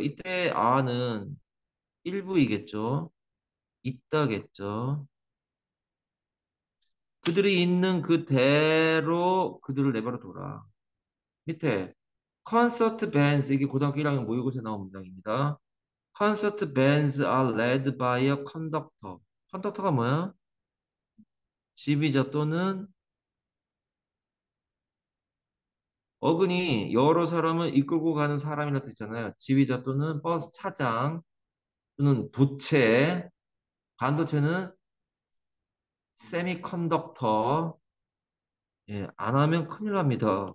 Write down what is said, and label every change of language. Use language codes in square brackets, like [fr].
[ko] 이때 are는 일부이겠죠. 있다겠죠. 그들이 있는 그대로 그들을 내버려 둬라. 밑에. 콘서트 밴즈 이게 고등학교 1학년 모의고사에 나온 문장입니다. [en] 콘서트 밴즈 are led by a conductor. [ko] 컨덕터가 뭐야? 지휘자 또는 어근이 여러 사람을 이끌고 가는 사람이라는 뜻이잖아요. 지휘자 또는 버스 차장 또는 도체 반도체는 세미컨덕터 예, 안 하면 큰일 납니다.